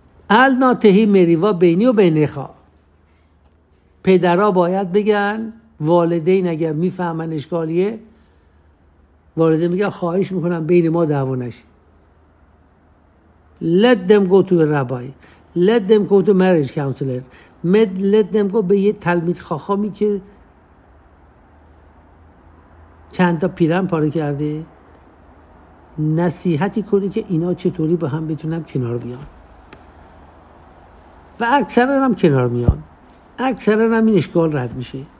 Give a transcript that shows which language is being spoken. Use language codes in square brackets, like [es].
[he] ال ناتهی مریوا بینی و بینخا. [fa] پدرها باید بگن، والدین اگر میفهمن اشکالیه، والدین میگن خواهش میکنم بین ما دعوا نشه. [en] Let them go to the rabbi. Let them go to marriage counselor. Let them go [fa] به یه تلمید خاخامی که چند تا پیرن پاره کرده، نصیحتی کنی که اینا چطوری با هم بتونم کنار بیان. و اکثران هم کنار میان، اکثران هم این اشکال رد میشه.